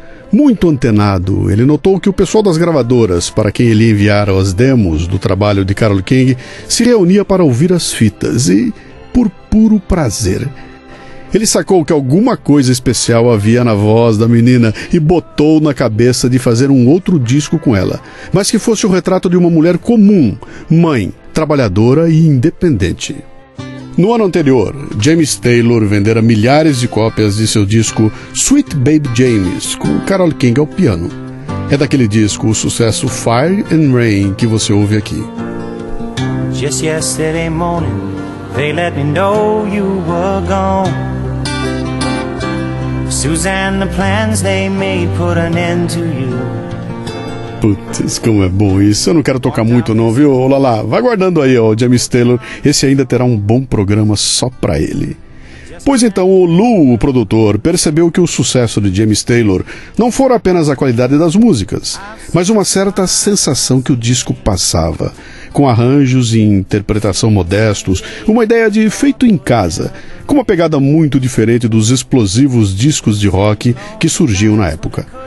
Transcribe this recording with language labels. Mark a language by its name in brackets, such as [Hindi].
[Portuguese] Muito antenado, ele notou que o pessoal das gravadoras, para quem ele enviara as demos do trabalho de Carole King, se reunia para ouvir as fitas e, por puro prazer, ele sacou que alguma coisa especial havia na voz da menina e botou na cabeça de fazer um outro disco com ela, mas que fosse o retrato de uma mulher comum, mãe, trabalhadora e independente. No ano anterior, James Taylor vendera milhares de cópias de seu disco Sweet Baby James, com Carole King ao piano. É daquele disco o sucesso Fire and Rain que você ouve aqui. [English] Just yesterday morning, they let me know you were gone. Suzanne, the plans they made put an end to you. [Portuguese] Putz, como é bom isso. Eu não quero tocar muito não, viu? Ô Lala, vai guardando aí, ó, James Taylor. Esse ainda terá um bom programa só pra ele. Pois então, o Lou, o produtor, percebeu que o sucesso de James Taylor não fora apenas a qualidade das músicas, mas uma certa sensação que o disco passava, com arranjos e interpretação modestos, uma ideia de feito em casa, com uma pegada muito diferente dos explosivos discos de rock que surgiam na época.